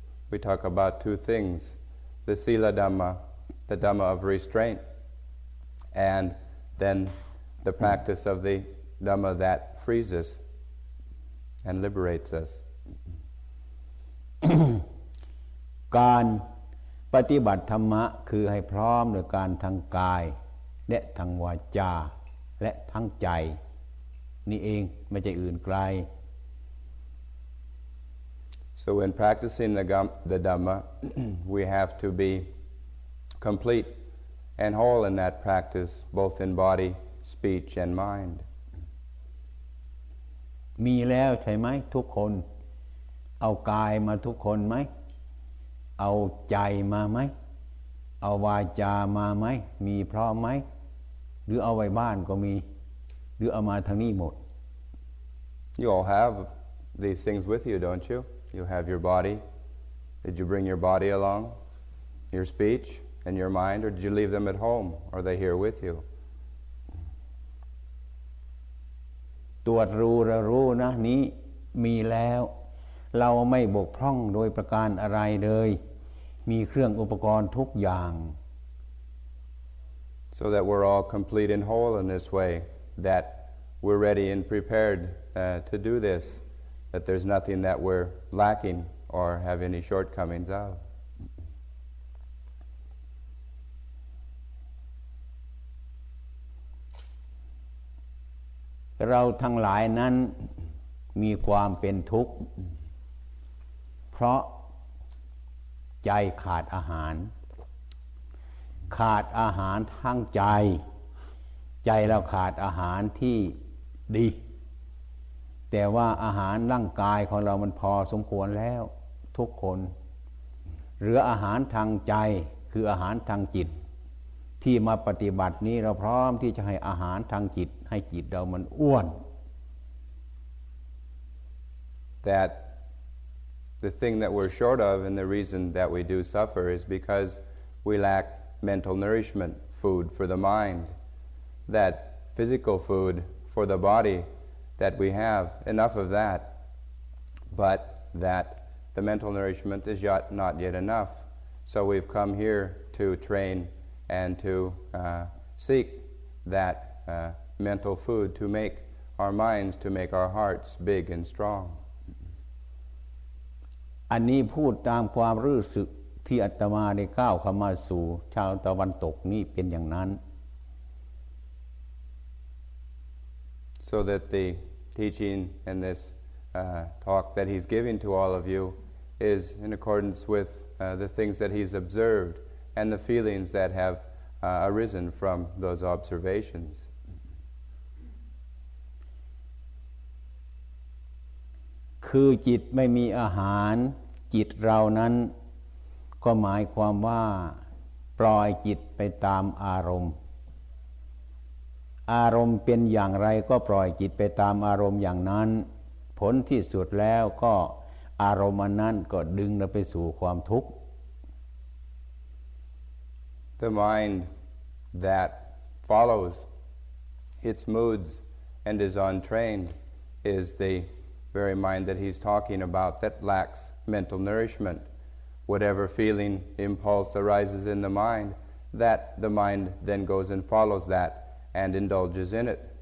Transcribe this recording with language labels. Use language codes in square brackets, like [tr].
[en] we talk about two things, the Sila Dhamma, the Dhamma of restraint, and then the practice of the Dhamma that frees us and liberates us. [th] การปฏิบัติธรรมะคือให้พร้อมด้วยการทางกายและทางวาจาและทางใจนี่เองไม่ใช่อื่นไกล [en] So when practicing the Dhamma we have to be complete and whole in that practice both in body speech and mind [th] มีแล้วใช่ไหมทุกคนเอากายมาทุกคนไหมเอาใจมาไหมเอาวาจามาไหมมีพร้อมไหมหรือเอาไว้บ้านก็มีหรือเอามาทางนี้หมด [en] You all have these things with you, don't you? You have your body. Did you bring your body along? Your speech and your mind, or did you leave them at home? Are they here with you? [th] ตรวจรู้ระรู้นะนี้มีแล้วเราไม่บกพร่องโดยประการอะไรเลยมีเครื่องอุปกรณ์ทุกอย่าง [en] so that we're all complete and whole in this way that we're ready and prepared to do this that there's nothing that we're lacking or have any shortcomings of [th] เราทั้งหลายนั้นมีความเป็นทุกข์เพราะใจขาดอาหารขาดอาหารทั้งใจใจเราขาดอาหารที่ดี แต่ว่าอาหารร่างกายของเรามันพอสมควรแล้วทุกคนเหลืออาหารทางใจคืออาหารทางจิตที่มาปฏิบัตินี้เราพร้อมที่จะให้อาหารทางจิตให้จิตเรามันอ้วน [en] thatThe thing that we're short of and the reason that we do suffer is because we lack mental nourishment, food for the mind, that physical food for the body that we have, enough of that, but that the mental nourishment is yet not yet enough. So we've come here to train and to seek that mental food to make our minds, to make our hearts big and strong. [th] อันนี้พูดตามความรู้สึกที่อาตมาได้ก้าวเข้ามาสู่ชาวตะวันตกนี่เป็นอย่างนั้น [en] So that the teaching and this talk that he's giving to all of you is in accordance with the things that he's observed and the feelings that have arisen from those observations [th] คือจิตไม่มีอาหารจิตเรานั้นก็หมายความว่าปล่อยจิตไปตามอารมณ์อารมณ์เป็นอย่างไรก็ปล่อยจิตไปตามอารมณ์อย่างนั้นผลที่สุดแล้วก็อารมณ์นั้นก็ดึงเราไปสู่ความทุกข์ [en] The mind that follows its moods and is untrained is theVery mind that he's talking about that lacks mental nourishment. Whatever feeling, impulse arises in the mind, that the mind then goes and follows that and indulges in it.